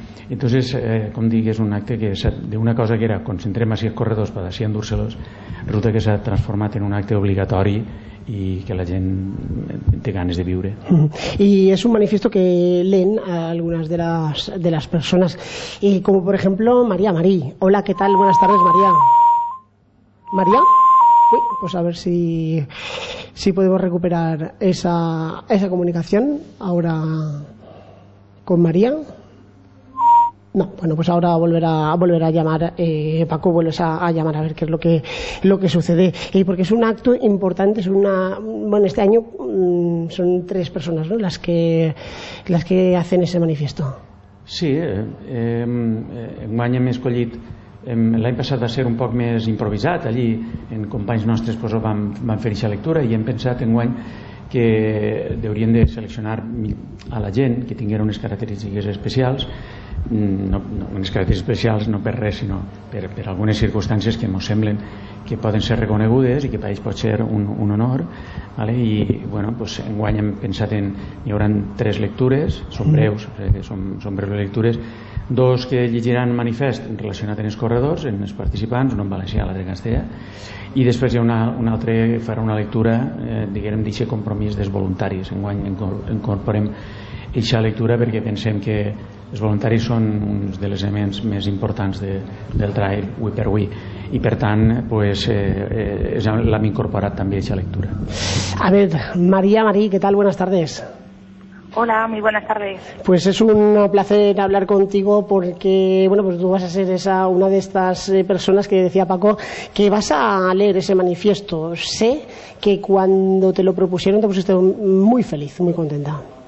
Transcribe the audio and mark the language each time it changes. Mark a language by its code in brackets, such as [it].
[ca] Entonces, com dic, és un acte que d'una cosa que era concentrem els corredors per així endur-se-los, resulta que s'ha transformat en un acte obligatori i que la gent té ganes de viure. I és un manifesto [es] que leen [ca] algunes de les persones, i com per exemple Maria Marí. Hola, què tal? [es] Buenas tardes, [ca] Maria. Maria? [es] Uy, pues a ver si podemos recuperar esa comunicación ahora con María. No, bueno, pues ahora volver a llamar, Paco, vuelves a llamar a ver qué es lo que sucede. Porque es un acto importante, bueno, este año son tres personas, ¿no? las que hacen ese manifiesto. [ca] Sí, enguany hem escollit, l'any passat va ser un poc més improvisat, allí en companys nostres pues, van fer aquesta lectura, i hem pensat enguany que hauríem de seleccionar a la gent que tinguera unes característiques especials, no unes característiques especials no per res, sinó per algunes circumstàncies que ens semblen que poden ser reconegudes i que per ells pot ser un honor, vale? I bueno, pues, enguany hem pensat en hi haurà tres lectures, són breus, són breus lectures, dos que llegiran manifest relacionat amb els corredors, amb els participants, un en valencià i l'altre en castellà, i després hi ha un altre que farà una lectura, diguem, d'eixe compromís dels voluntaris. Enguany incorporem eixa lectura perquè pensem que els voluntaris són uns dels elements més importants del trail avui per avui, i per tant pues, l'hem incorporat també a eixa lectura. A veure, Marí, què tal? [es] Buenas tardes. Hola, muy buenas tardes. Pues es un placer hablar contigo porque, bueno, pues tú vas a ser una de estas personas que decía Paco que vas a leer ese manifiesto. Sé que cuando te lo propusieron te pusiste muy feliz, muy contenta.